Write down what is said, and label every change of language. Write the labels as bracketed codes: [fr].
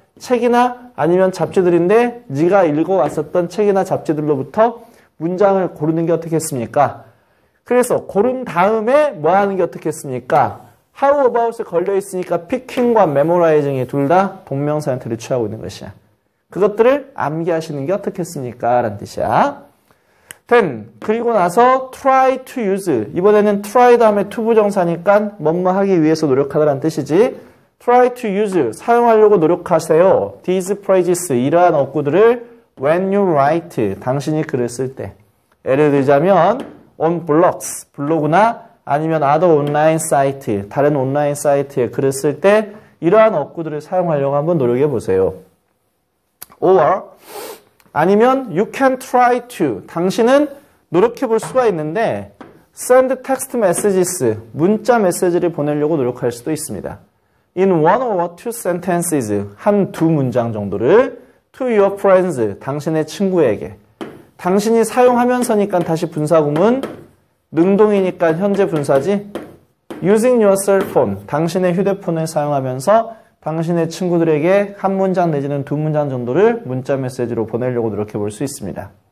[ko] 책이나 아니면 잡지들인데 네가 읽어왔었던 책이나 잡지들로부터 문장을 고르는 게 어떻겠습니까? 그래서 고른 다음에 뭐 하는 게 어떻겠습니까? How about에 걸려 있으니까 picking과 memorizing이 둘 다 동명사 형태를 취하고 있는 것이야. 그것들을 암기하시는 게 어떻겠습니까? 라는 뜻이야. [en] Then, [ko] 그리고 나서 [en] try to use. [ko] 이번에는 try 다음에 to 부정사니까 뭐뭐 하기 위해서 노력하다라는 뜻이지. [en] Try to use, [ko] 사용하려고 노력하세요. [en] These phrases, [ko] 이러한 어구들을 [en] when you write, [ko] 당신이 글을 쓸 때. 예를 들자면 [en] on blogs, [ko] 블로그나 아니면 [en] other online site, [ko] 다른 온라인 사이트에 글을 쓸 때 이러한 어구들을 사용하려고 한번 노력해 보세요. [en] Or, [ko] 아니면 [en] you can try to, [ko] 당신은 노력해 볼 수가 있는데 [en] send text messages, [ko] 문자 메시지를 보내려고 노력할 수도 있습니다. [en] In one or two sentences, [ko] 한 두 문장 정도를 [en] to your friends, [ko] 당신의 친구에게. 당신이 사용하면서니까 다시 분사구문, 능동이니까 현재 분사지. [en] Using your cell phone, [ko] 당신의 휴대폰을 사용하면서 당신의 친구들에게 한 문장 내지는 두 문장 정도를 문자 메시지로 보내려고 노력해 볼 수 있습니다.